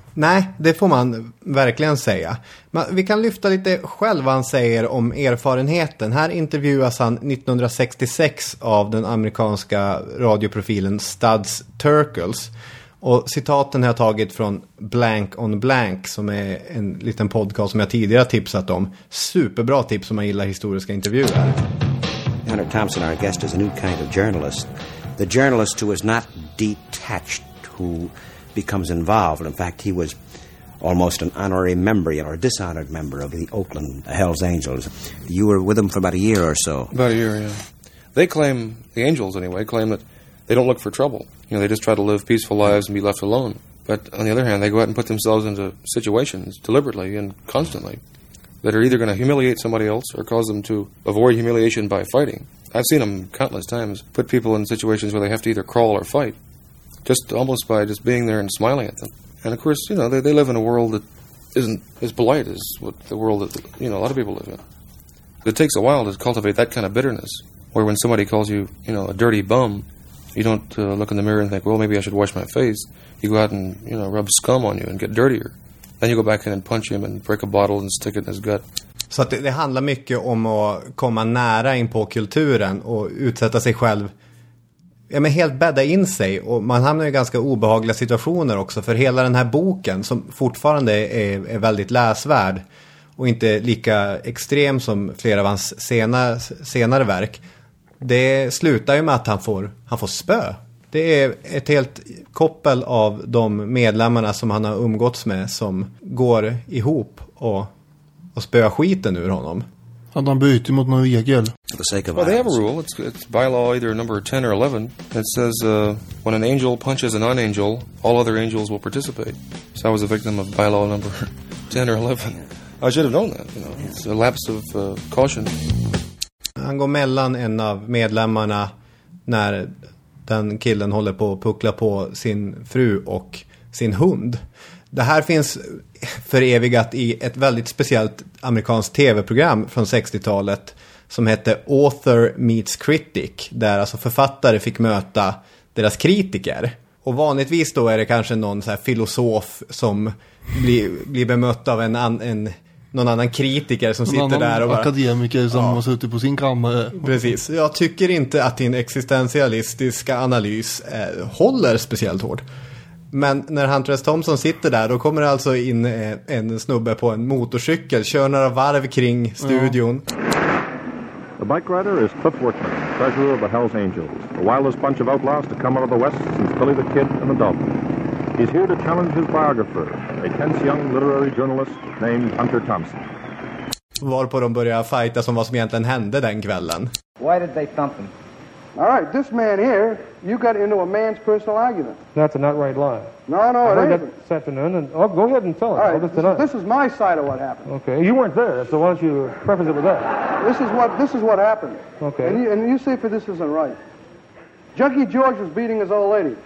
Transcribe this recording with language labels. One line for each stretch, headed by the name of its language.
Swedish: Nej, det får man verkligen säga. Men vi kan lyfta lite själv vad han säger om erfarenheten. Här intervjuas han 1966 av den amerikanska radioprofilen Studs Terkels. Och citaten har jag tagit från Blank on Blank, som är en liten podcast som jag tidigare tipsat om. Superbra tips om man gillar historiska intervjuer.
English: Hunter Thompson, our guest, is a new kind of journalist. The journalist who is not detached, who becomes involved. In fact, he was almost an honorary member or a dishonored member of the Oakland Hells Angels. You were with them for about a year or so. About a year, yeah. They claim, the Angels anyway, claim that they don't look for trouble. You know, they just try to live peaceful lives and be left alone. But on the other hand, they go out and put themselves into situations deliberately and constantly that are either going to humiliate somebody else or cause them to avoid humiliation by fighting. I've seen them countless times put people in situations where they have to either crawl or fight, just almost by just being there and smiling at them. And of course, you know, they live in a world that isn't as polite as what the world that, you know, a lot of people live in. It takes a while to cultivate that kind of bitterness, where when somebody calls you, you know, a dirty bum, you don't look in the mirror and think, well, maybe I should wash my face. You go out and, you know, rub scum on you and get dirtier. Then you go back in and punch him and break a bottle and stick it in his gut.
Swedish: Så att det handlar mycket om att komma nära in på kulturen och utsätta sig själv. Ja, men helt bädda in sig, och man hamnar i ganska obehagliga situationer också. För hela den här boken, som fortfarande är väldigt läsvärd och inte lika extrem som flera av hans senare verk, det slutar ju med att han får spö. Det är ett helt koppel av de medlemmarna som han har umgåtts med som går ihop och spöar skiten ur honom. Hade han bytt mot någon regel?
English: Well, they have a rule. It's bylaw either number 10 or 11. It says when an angel punches a non-angel, all other angels will participate. So I was a victim of bylaw number 10 or 11. I should have known that. You know, it's a lapse of caution.
Swedish: Han går mellan en av medlemmarna när den killen håller på att puckla på sin fru och sin hund. Det här finns för evigt i ett väldigt speciellt amerikanskt tv-program från 60-talet som hette Author Meets Critic, där alltså författare fick möta deras kritiker. Och vanligtvis då är det kanske någon så här filosof som blir bemött av någon annan kritiker som sitter där och bara... akademiker som har suttit på sin kammare. Precis. Jag tycker inte att din existentialistiska analys håller speciellt hårt. Men när Hunter S. Thompson sitter där, då kommer det alltså in en snubbe på en motorcykel, kör några varv kring studion. Ja.
English: The bike rider is Cliff Wortman, treasurer of the Hell's Angels, the wildest bunch of outlaws to come out of the West since Billy the Kid and the Dalton. He's here to challenge his biographer, a tense young literary journalist named Hunter Thompson.
Swedish: Varpå de börjar fighta som vad som egentligen hände den kvällen.
English: Why did they thump him? All right, this man here, you got into a man's personal argument. That's an outright lie. No, it ain't. This afternoon, and oh, go ahead and tell it. All right, this is my side of what happened. Okay, you weren't there, so why don't you preface it with that? This is what happened. Okay. And you say for this isn't right. Junkie George was beating his old lady.